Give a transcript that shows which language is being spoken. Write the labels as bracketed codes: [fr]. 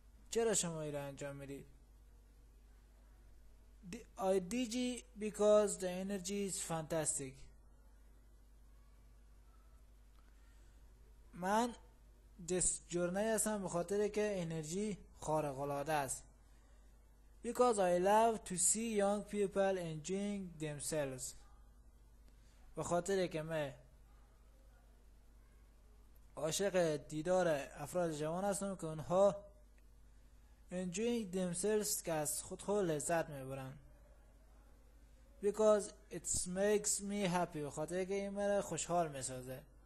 [fa] چرا شما این را انجام میدید؟ [en] I DJ because the energy is fantastic. [fa] من دست جورنی هستم بخاطر که انرژی خارق العاده است. [en] Because I love to see young people enjoying themselves. [fa] بخاطر که من عاشق دیدار افراد جوان هستم که اونها [en] enjoying themselves [fa] که از خود لذت میبرند. [en] Because it makes me happy. [fa] بخاطر که این مرا خوشحال میسازه.